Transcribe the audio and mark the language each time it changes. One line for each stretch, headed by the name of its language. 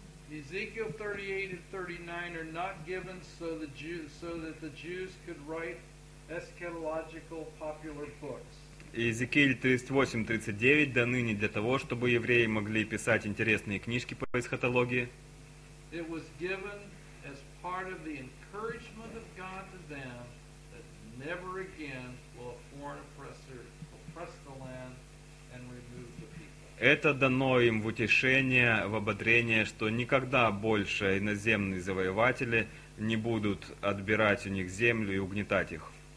English: Ezekiel 38 and 39 are not given so that the Jews could write eschatological popular books.
Russian: Иезекииль 38-39 даны не для того, чтобы евреи могли писать интересные книжки по эсхатологии.
English: It was given as part of the encouragement of God to them that never again will a foreign oppressor oppress the land and remove the people.
Russian: Это дано им в утешение, в ободрение, что никогда больше иноземные завоеватели не будут отбирать у них землю и угнетать их.